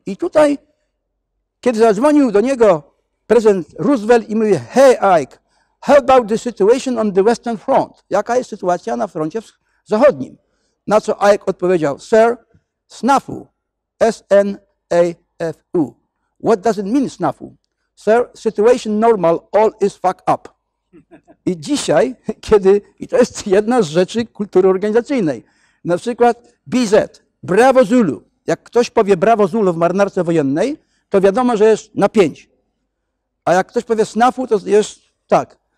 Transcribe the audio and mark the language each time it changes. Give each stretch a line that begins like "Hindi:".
Polish: I tutaj, kiedy zadzwonił do niego prezydent Roosevelt i mówi:
English: "Hey Ike, how about the situation on the Western Front?"
Polish: Jaka jest sytuacja na froncie zachodnim? Na co Ike odpowiedział:
English: "Sir, snafu, S-N-A-F-U. What does it mean, snafu? Sir, situation normal, all is fuck up."
Polish: I dzisiaj, kiedy, i to jest jedna z rzeczy kultury organizacyjnej, na przykład BZ, brawo Zulu. Jak ktoś powie brawo Zulu w marynarce wojennej, to wiadomo, że jest na 5. A jak ktoś powie snafu, to jest tak.